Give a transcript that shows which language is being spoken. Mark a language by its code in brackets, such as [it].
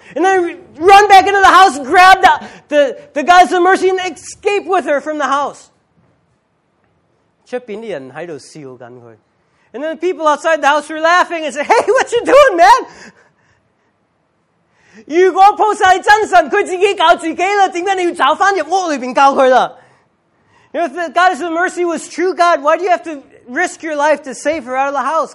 [en] And then run back into the house, grab the guys of mercy and escape with her from the house. [zh] 外面的人在笑他. [en] And then the people outside the house were laughing and said, hey, what you doing, man? [zh] 如果菩萨是真神,他自己搞自己了,为什么你要走回屋里面救他了? [en] You know, if the goddess of mercy was true God, why do you have to risk your life to save her out of the house?